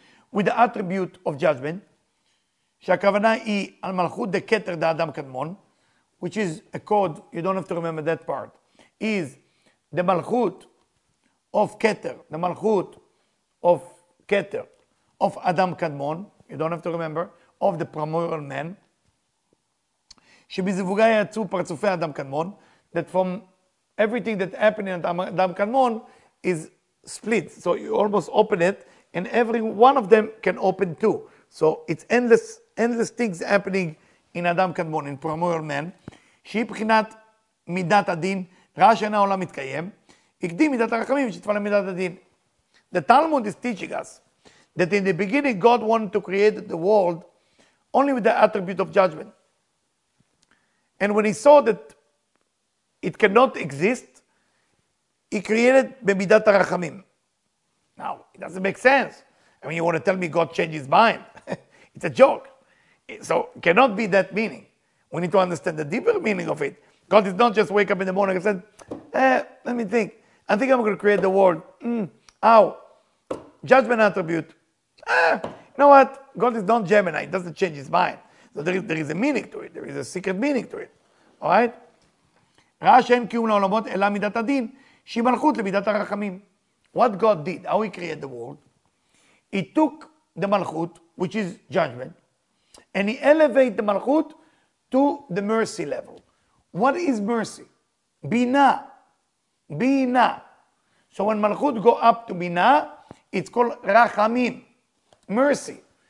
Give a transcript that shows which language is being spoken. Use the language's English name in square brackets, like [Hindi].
[English] with the attribute of judgment, [Hebrew] שהכוונה היא על מלכות דקטר דאדם קדמון, [English] which is a code, you don't have to remember that part, is the מלכות of קטר, the מלכות of קטר, of אדם קדמון, you don't have to remember, of the primordial man, [Hebrew] שבזווגה יצאו פרצופי אדם קדמון, [English] that from everything that happened in אדם קדמון is split. So you almost open it, and every one of them can open too. So it's endless things happening in אדם קדמון, in primordial man. [Hebrew] שהיא בחינת מידת הדין, ראה שאין העולם מתקיים, הקדים מידת הרחמים שתפעלה מידת הדין. [English] The Talmud is teaching us that in the beginning God wanted to create the world only with the attribute of judgment. And when he saw that it cannot exist, he created [Hebrew] במידת הרחמים. [English] Now, it doesn't make sense. I mean, you want to tell me God changed his mind? It's a joke. So, it cannot be that meaning. We need to understand the deeper meaning of it. God did not just wake up in the morning and said, let me think. I think I'm going to create the world. How? Judgment attribute. You know what? God is not Gemini. It doesn't change his mind. So there is a meaning to it. There is a secret meaning to it. All right? [Hebrew] ראה שאין קיום לעולמות אלא מידת הדין, שהיא מלכות למידת הרחמים. [English] What God did, how he created the world, he took the מלכות, which is judgment, and he elevated the מלכות to the mercy level. What is mercy? Bina. Bina. So when מלכות go up to Bina, it's called רחמים. Mercy.